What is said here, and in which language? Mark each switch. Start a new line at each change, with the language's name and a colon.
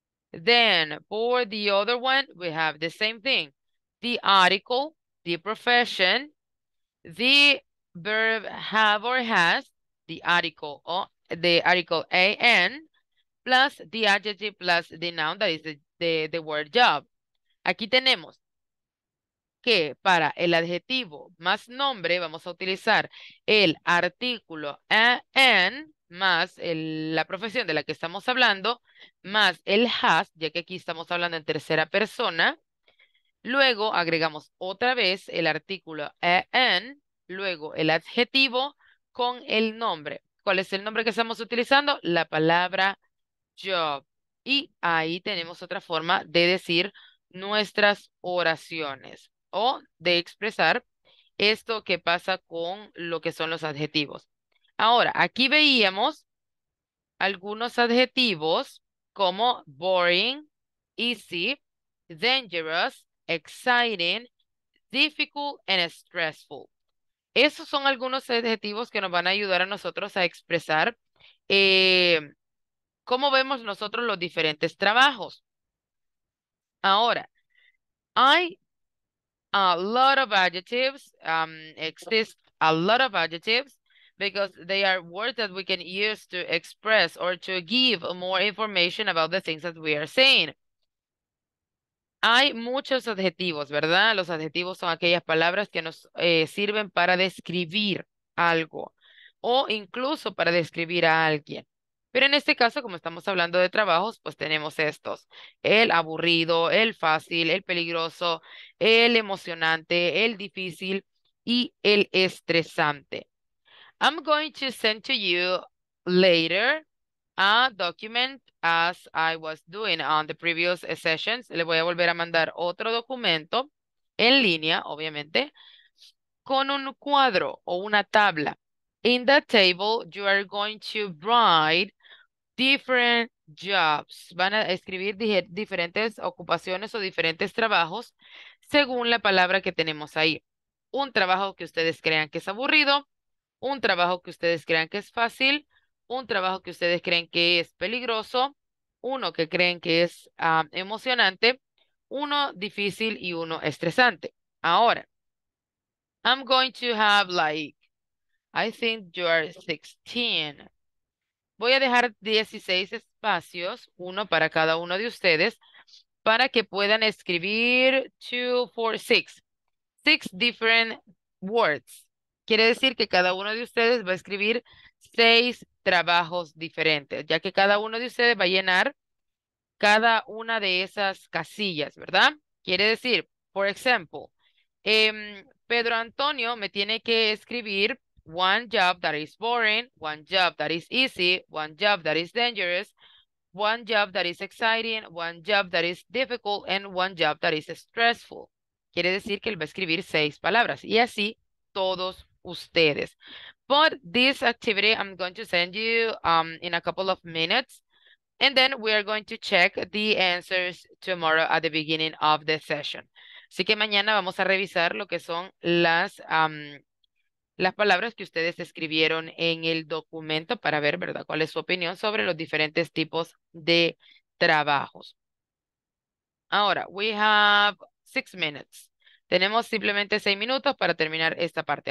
English: Then, for the other one, we have the same thing. The article, the profession, the verb have or has, the article, or the article an, plus the adjective, plus the noun, that is the word job.
Spanish: Aquí tenemos que para el adjetivo más nombre vamos a utilizar el artículo an más la profesión de la que estamos hablando, más el has, ya que aquí estamos hablando en tercera persona. Luego agregamos otra vez el artículo an, luego el adjetivo con el nombre. ¿Cuál es el nombre que estamos utilizando? La palabra job. Y ahí tenemos otra forma de decir nuestras oraciones o de expresar esto que pasa con lo que son los adjetivos. Ahora, aquí veíamos algunos adjetivos como
English: boring, easy, dangerous, exciting, difficult, and stressful.
Spanish: Esos son algunos adjetivos que nos van a ayudar a nosotros a expresar cómo vemos nosotros los diferentes trabajos. Ahora, hay
English: a lot of adjectives, exist a lot of adjectives, because they are words that we can use to express or to give more information about the things that we are saying.
Spanish: Hay muchos adjetivos, ¿verdad? Los adjetivos son aquellas palabras que nos sirven para describir algo o incluso para describir a alguien. Pero en este caso, como estamos hablando de trabajos, pues tenemos estos. El aburrido, el fácil, el peligroso, el emocionante, el difícil y el estresante.
English: I'm going to send to you later a document as I was doing on the previous sessions.
Spanish: Le voy a volver a mandar otro documento en línea, obviamente, con un cuadro o una tabla.
English: In that table, you are going to write different jobs.
Spanish: Van a escribir diferentes ocupaciones o diferentes trabajos según la palabra que tenemos ahí. Un trabajo que ustedes crean que es aburrido, un trabajo que ustedes crean que es fácil, un trabajo que ustedes creen que es peligroso, uno que creen que es emocionante, uno difícil y uno estresante.
English: Ahora, I'm going to have I think you are 16.
Spanish: Voy a dejar 16 espacios, uno para cada uno de ustedes, para que puedan escribir 2, 4, 6.
English: 6 different words.
Spanish: Quiere decir que cada uno de ustedes va a escribir 6 trabajos diferentes, ya que cada uno de ustedes va a llenar cada una de esas casillas, ¿verdad? Quiere decir, por ejemplo, Pedro Antonio me tiene que escribir
English: one job that is boring, one job that is easy, one job that is dangerous, one job that is exciting, one job that is difficult, and one job that is stressful.
Spanish: Quiere decir que él va a escribir 6 palabras, y así todos ustedes.
English: But this activity I'm going to send you in a couple of minutes, and then we are going to check the answers tomorrow at the beginning of the session.
Spanish: Así que mañana vamos a revisar lo que son las palabras que ustedes escribieron en el documento para ver, ¿verdad?, cuál es su opinión sobre los diferentes tipos de trabajos. Ahora,
English: we have 6 minutes.
Spanish: Tenemos simplemente 6 minutos para terminar esta parte.